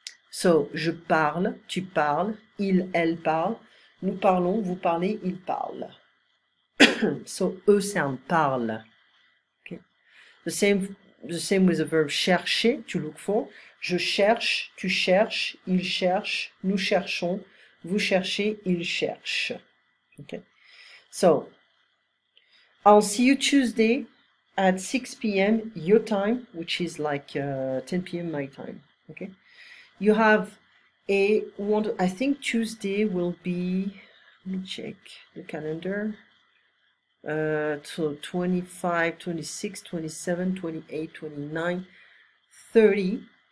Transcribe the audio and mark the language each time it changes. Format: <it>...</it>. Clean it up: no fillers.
<fr>So, je parle, tu parles, il, elle parle, nous parlons, vous parlez, ils parlent.</fr> <en>So, e sound, parle. The same with the verb chercher, to look for.</en> <fr>Je cherche, tu cherches, il cherche, nous cherchons, vous cherchez, il cherche.</fr> <en>Okay. So, I'll see you Tuesday at 6 p.m. your time, which is like 10 p.m. my time. Okay. You have a one. I think Tuesday will be. Let me check the calendar. So 25, 26, 27, 28, 29, 30.</en>